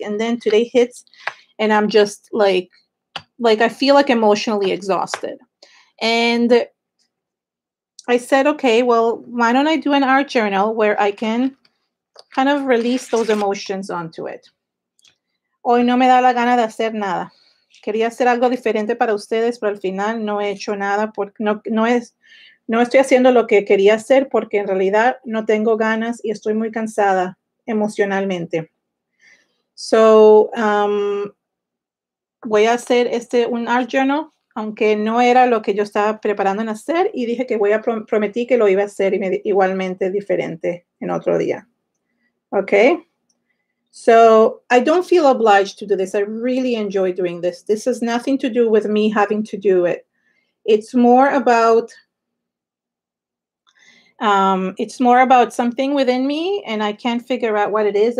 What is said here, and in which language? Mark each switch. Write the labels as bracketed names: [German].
[English] And then today hits and I'm just like I feel like emotionally exhausted. And I said, okay, well, why don't I do an art journal where I can kind of release those emotions onto it. [Spanish] Hoy no me da la gana de hacer nada. Quería hacer algo diferente para ustedes, pero al final no he hecho nada porque no estoy haciendo lo que quería hacer porque en realidad no tengo ganas y estoy muy cansada emocionalmente. So, voy a hacer un art journal, aunque no era lo que yo estaba preparando en hacer y dije que prometí que lo iba a hacer igualmente diferente en otro día. [English] Okay. So I don't feel obliged to do this. I really enjoy doing this. This has nothing to do with me having to do it. It's more about something within me and I can't figure out what it is.